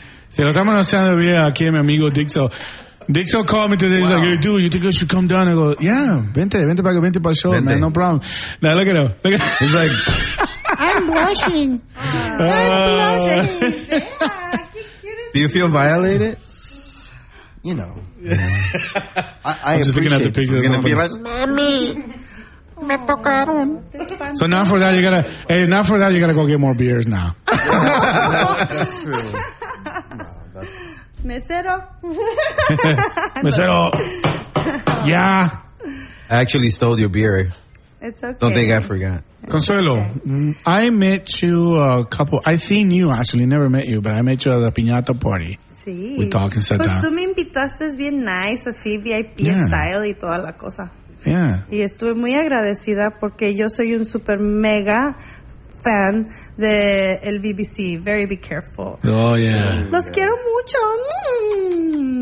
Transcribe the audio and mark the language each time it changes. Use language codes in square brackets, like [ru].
[es] Se lo está manoseando bien aquí mi amigo Dixo. [en] Dixo called me today. He's like, hey, dude, you think I should come down? I go, yeah, vente para el show, man, no problem. Now, look at him. Look at him. He's like, I'm blushing. Do you feel violated? You know. I'm just looking at the pictures. [es] Mommy. Me tocaron. [en] So now for that, you gotta go get more beers now. That's true. [es] Mesero. Mesero. Yeah. [en] I actually stole your beer. It's okay. Don't think I forgot. Consuelo, okay. I met you a couple... I seen you, actually. Never met you, but I met you at the piñata party. [es] Sí. [en] We talked and sat down. [es] Tú me invitaste bien nice, así VIP style y toda la cosa. [en] Yeah. [es] Y estuve muy agradecida porque yo soy un super mega... fan de el BBC. Very be careful. [en] Oh, yeah. [es] Los quiero mucho.